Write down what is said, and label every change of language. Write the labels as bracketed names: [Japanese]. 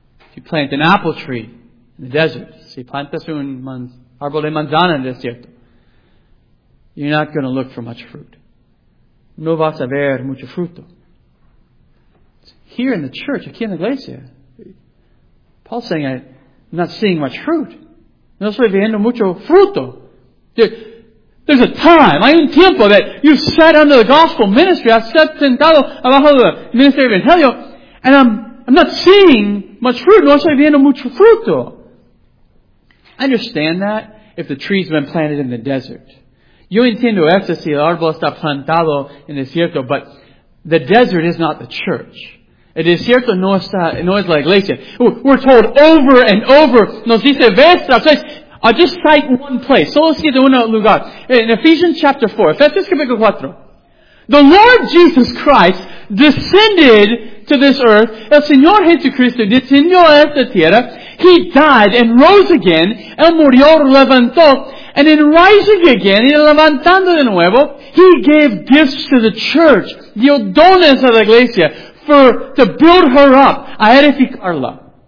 [English] If you plant an apple tree in the desert, [Spanish] si plantas un árbol de manzana en el desierto, [English] you're not going to look for much fruit. [Spanish] No vas a ver mucho fruto. [English] Here in the church, [Spanish] aquí en la iglesia, [English] Paul's saying, I'm not seeing much fruit. [Spanish] No estoy viendo mucho fruto. [English] There's a time, [Spanish] hay un tiempo [English] that you've sat under the gospel ministry, I've sat [Spanish] sentado abajo [English] the ministry of Evangelio, and I'm not seeing much fruit. [Spanish] No estoy viendo mucho fruto. [English] I understand that if the tree's been planted in the desert. [Spanish] Yo entiendo eso si el árbol está plantado en el desierto, [English] but the desert is not the church. [Spanish] El desierto no es la iglesia. [English] We're told over and over, [Spanish] nos dice, ves, [English] I'll just cite one place. [Spanish] Solo cito un lugar. [English] In Ephesians chapter 4, [Spanish] Efesios capítulo 4. [English] The Lord Jesus Christ descended to this earth. [Spanish] El Señor Jesucristo descendió a esta tierra. [English] He died and rose again. [Spanish] El murió, levantó. [English] And in rising again, [Spanish] y levantando de nuevo, [English] he gave gifts to the church. [Spanish] Dio dones a la iglesia. [English] To build her up, [Spanish] a edificarla.